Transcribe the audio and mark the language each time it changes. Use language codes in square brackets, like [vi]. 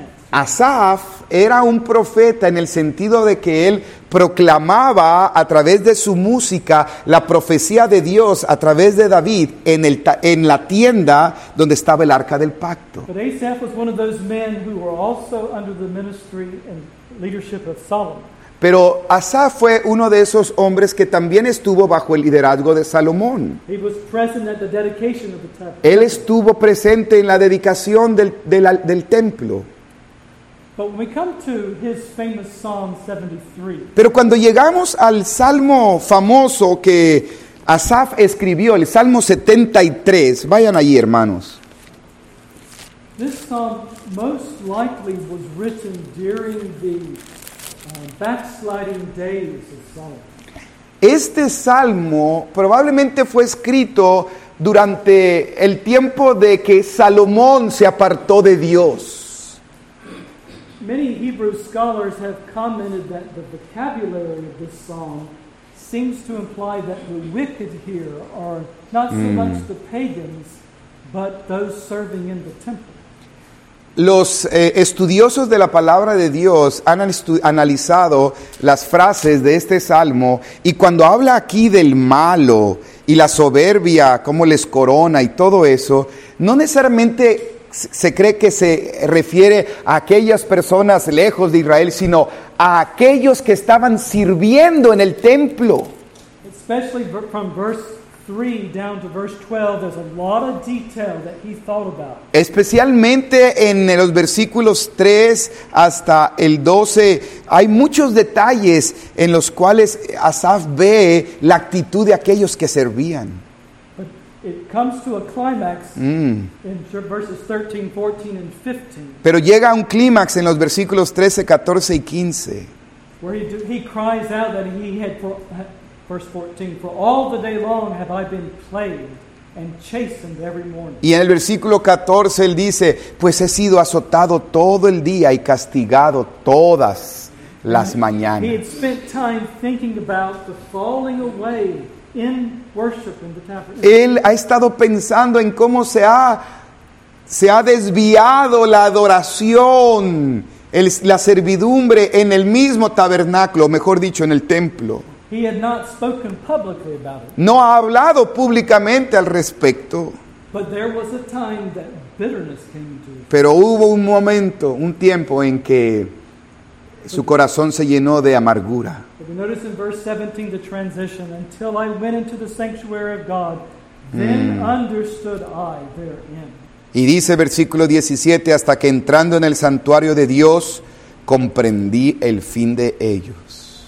[es] Asaph era un profeta en el sentido de que él proclamaba a través de su música la profecía de Dios a través de David en la tienda donde estaba el arca del pacto. [en] But Asaph was one of those men who were also under the ministry and leadership of Solomon. [es] Pero Asaph fue uno de esos hombres que también estuvo bajo el liderazgo de Salomón. [en] He was present at the dedication of the temple. [es] Él estuvo presente en la dedicación del templo. [en] But when we come to his famous Psalm 73, [es] pero cuando llegamos al Salmo famoso que Asaph escribió, el Salmo 73, vayan allí, hermanos. [en] This psalm most likely was written during the backsliding days of Solomon. [es] Este salmo probablemente fue escrito durante el tiempo de que Salomón se apartó de Dios. [en] Many Hebrew scholars have commented that the vocabulary of this psalm seems to imply that the wicked here are not so much the pagans, but those serving in the temple. [es] Los estudiosos de la palabra de Dios han analizado las frases de este salmo y cuando habla aquí del malo y la soberbia, cómo les corona y todo eso, no necesariamente se cree que se refiere a aquellas personas lejos de Israel, sino a aquellos que estaban sirviendo en el templo. [en] Especially from verse 3 down to verse 12, there's a lot of detail that he thought about. [es] Especialmente en los versículos 3 hasta el 12, hay muchos detalles en los cuales Asaph ve la actitud de aquellos que servían. [en] But it comes to a climax in verses 13, 14, and 15. [es] Pero llega a un clímax en los versículos 13, 14, y 15. [en] Where he cries out that he had... Verse 14, for all the day long have I been plagued and chastened every morning. [es] Y en el versículo 14 él dice, pues he sido azotado todo el día y castigado todas las mañanas. [en] He had spent time thinking about the falling away in worship in the tabernacle. [es] Él ha estado pensando en cómo se ha desviado la adoración, la servidumbre en el mismo tabernáculo, mejor dicho, en el templo. [en] He had not spoken publicly about it. [es] No ha hablado públicamente al respecto. [en] But there was a time that bitterness came to. [es] Pero hubo un momento, un tiempo en que su corazón se llenó de amargura. [en] But notice in verse 17 the transition, until I went into the sanctuary of God, then understood I therein. [es] Y dice versículo 17, hasta que entrando en el santuario de Dios, comprendí el fin de ellos.